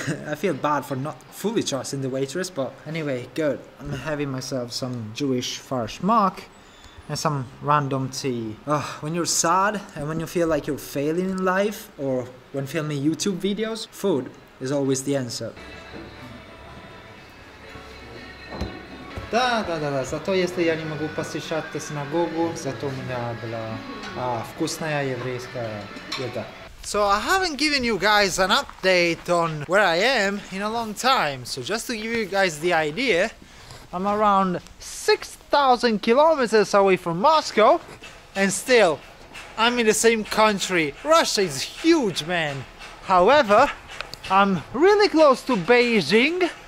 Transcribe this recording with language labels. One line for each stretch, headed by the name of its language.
English: I feel bad for not fully trusting the waitress, but anyway, good. I'm having myself some Jewish farshmak and some random tea. Ugh, when you're sad and when you feel like you're failing in life, or when filming YouTube videos, food is always the answer.
Russian: Да, да, да, да. Зато если я не могу посещать синагогу, зато у меня была вкусная еврейская еда.
English: So I haven't given you guys an update on where I am in a long time. So just to give you guys the idea, I'm around 6,000 kilometers away from Moscow, and still, I'm in the same country. Russia is huge, man. However, I'm really close to Beijing.